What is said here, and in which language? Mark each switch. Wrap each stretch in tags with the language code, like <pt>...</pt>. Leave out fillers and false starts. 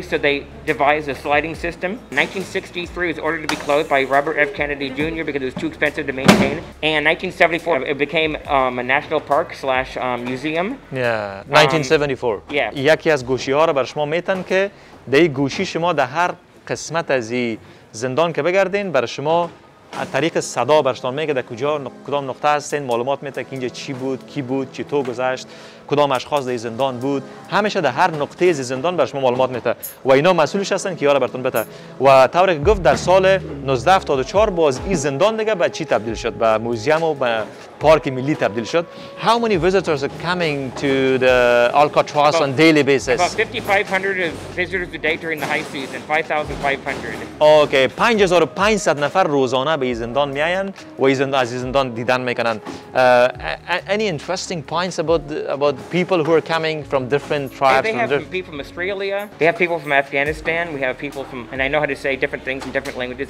<en>So they devised a sliding system. 1963 was ordered to be closed by Robert F. Kennedy Jr. because it was too expensive to maintain. And 1974, it became a national park / museum. Yeah, 1974. Yeah.</en> <fa>یکی از گوشی‌ها را بر شما می‌تن که دی گوشی شما در هر قسمت از این زندان که بگردین بر شما از طریق صدا برشتان میگه در کجا کدام نقطه هستین، معلومات میده که اینجا چی بود، کی بود، چی تو گذشت، کدام اشخاص در زندان بود، همیشه در هر نقطه از زندان بر شما معلومات میده و اینا مسئولش هستن که یارا برتون بده. و طوری که گفت در سال 1974 باز این زندان دیگه به چی تبدیل شد، به موزیم و به پارک ملی تبدیل شد.</fa> <en>How many visitors are coming to the Alcatraz about, on daily basis? About 5,500 visitors a day during the high season. 5,500.</en> <fa>Okay, 5,500 نفر روزانه به زندان میایند و از زندان دیدن میکنند.</fa> <en>Any interesting points about people who are coming from different tribes? Yeah, they have people from Australia. They have people from Afghanistan. We have people from, and I know how to say different things in different languages.</en>